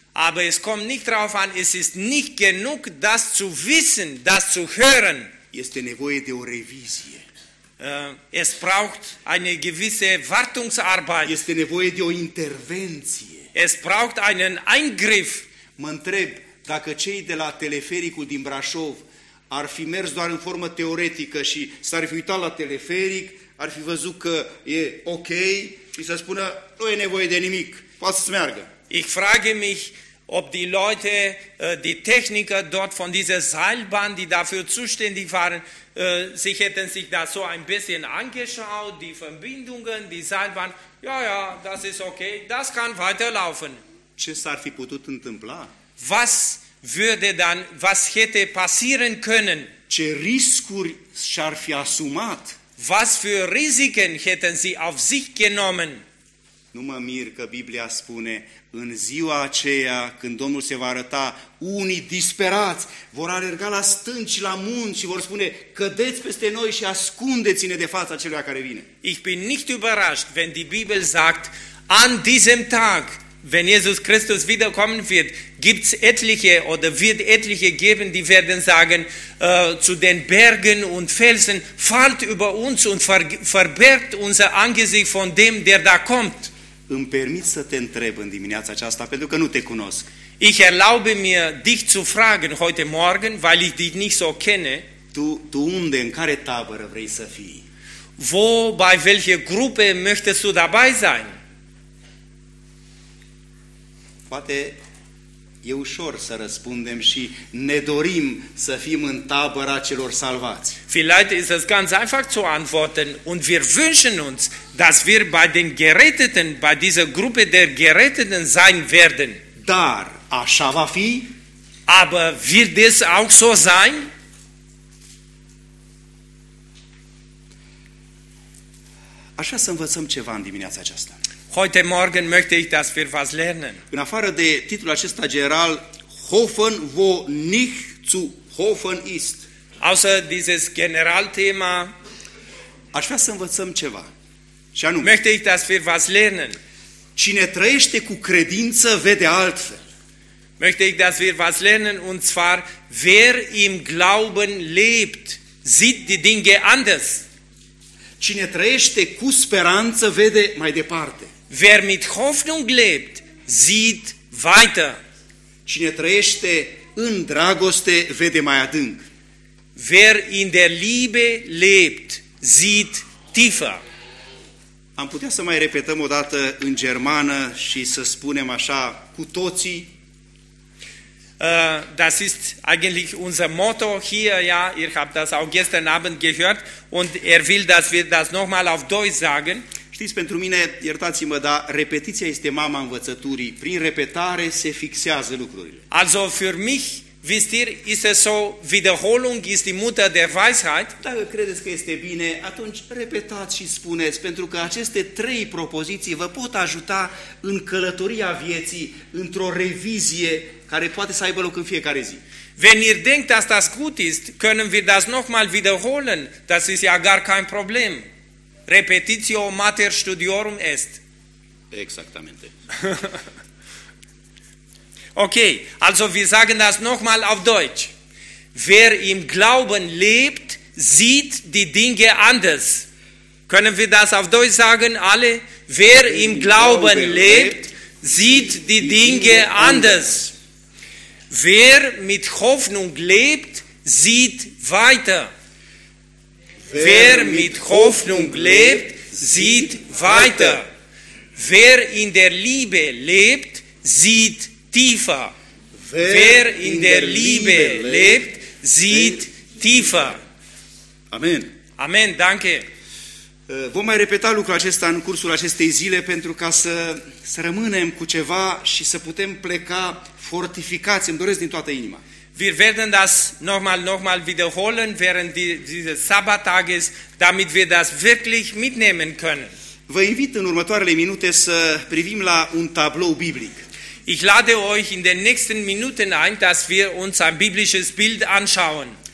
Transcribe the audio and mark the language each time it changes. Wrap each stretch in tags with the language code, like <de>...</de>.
<de>Aber es kommt nicht drauf an, es ist nicht genug, das zu wissen, das zu hören.</de> <ro>Este nevoie de o revizie.</ro> <de>Es braucht eine gewisse Wartungsarbeit.</de> <ro>Este nevoie de o intervenție.</ro> <de>Es braucht einen Eingriff.</de> <ro>Mă întreb dacă cei de la telefericul din Brașov ar fi mers doar în formă teoretică și s-ar fi uitat la teleferic, ar fi văzut că e ok și să spună, nu e nevoie de nimic, poate să meargă.</ro> <de>Ich frage mich, ob die Leute, die Techniker dort von dieser Seilbahn, die dafür zuständig waren, sich hätten sich da so ein bisschen angeschaut, die Verbindungen, die Seilbahn, ja, das ist okay, das kann weiterlaufen.</de> <ro>Ce s-ar fi putut întâmpla?</ro> <de>Was hätte passieren können?</de> <ro>Ce riscuri s-ar fi asumat?</ro> <de>Was für Risiken hätten sie auf sich genommen?</de> <ro>Nu mă mir că Biblia spune, în ziua aceea când Domnul se va arăta, unii disperați vor alerga la stânci, la munți și vor spune, cădeți peste noi și ascundeți-ne de fața celui care vine.</ro> <de>Ich bin nicht überrascht, wenn die Bibel sagt, an diesem Tag, wenn Jesus Christus wiederkommen wird, gibt's etliche oder wird etliche geben, die werden sagen, zu den Bergen und Felsen, fallt über uns und verbergt unser Angesicht von dem, der da kommt.</de> <ro>Îmi permit să te întreb în dimineața aceasta, pentru că nu te cunosc.</ro> <de>Ich erlaube mir, dich zu fragen heute Morgen, weil ich dich nicht so kenne.</de> <ro>Tu unde, în care tabără vrei să fii?</ro> <de>Wo, bei welcher Gruppe möchtest du dabei sein?</de> <ro>Poate e ușor să răspundem și ne dorim să fim în tabăra celor salvați.</ro> <de>Vielleicht ist es ganz einfach zu antworten und wir wünschen uns, dass wir bei den Geretteten, bei dieser Gruppe der Geretteten sein werden.</de> <ro>Dar așa va fi?</ro> <de>Aber wird es auch so sein?</de> <ro>Așa să învățăm ceva în dimineața aceasta.</ro> <de>Heute Morgen möchte ich, dass wir was lernen.</de> <ro>În afară de titlul acesta general,</ro> <de>Hoffen, wo nicht zu hoffen ist. Außer dieses Generalthema.</de> <ro>Aș vrea să învățăm ceva. Și anume,</ro> <de>möchte ich, dass wir was lernen.</de> <ro>Cine trăiește cu credință vede altfel.</ro> <de>Möchte ich, dass wir was lernen. Und zwar, wer im Glauben lebt, sieht die Dinge anders.</de> <ro>Cine trăiește cu speranță vede mai departe.</ro> <de>Wer mit Hoffnung lebt, sieht weiter.</de> <ro>Cine trăiește în dragoste, vede mai adânc.</ro> <de>Wer in der Liebe lebt, sieht tiefer.</de> <ro>Am putea să mai repetăm o dată în germană și să spunem așa cu toții.</ro> <de>Das ist eigentlich unser Motto hier, ja, ihr habt das auch gestern Abend gehört und will, dass wir das nochmal auf Deutsch sagen.</de> <ro>Știți, pentru mine, iertați-mă, dar repetiția este mama învățăturii. Prin repetare se fixează lucrurile.</ro> <de>Also für mich, wisst ihr, ist es so, Wiederholung ist die Mutter der Weisheit.</de> <ro>Dacă credeți că este bine, atunci repetați și spuneți, pentru că aceste trei propoziții vă pot ajuta în călătoria vieții, într-o revizie care poate să aibă loc în fiecare zi.</ro> <de>Wenn ihr denkt, dass das gut ist, können wir das nochmal wiederholen. Das ist ja gar kein Problem.</de> <la>Repetitio mater studiorum est.</la> <es>Exactamente.</es> <de>Okay, also wir sagen das nochmal auf Deutsch. Wer im Glauben lebt, sieht die Dinge anders. Können wir das auf Deutsch sagen, alle? Wer im Glauben lebt, sieht die Dinge anders. Wer mit Hoffnung lebt, sieht weiter. Wer mit Hoffnung lebt, sieht weiter. Wer in der Liebe lebt, sieht tiefer. Wer in der Liebe lebt, sieht tiefer. Amen. Amen, danke.</de> <ro>Vom mai repeta lucrul acesta în cursul acestei zile pentru ca să rămânem cu ceva și să putem pleca fortificați. Îmi doresc din toată inima.</ro> <de>Wir werden das nochmal wiederholen während dieses Sabbattages, damit wir das wirklich mitnehmen können.</de> <ro>Vă invit în următoarele minute să privim la un tablou biblic.</ro> <de>Ich lade euch in den nächsten Minuten ein, dass wir uns ein biblisches Bild anschauen.</de>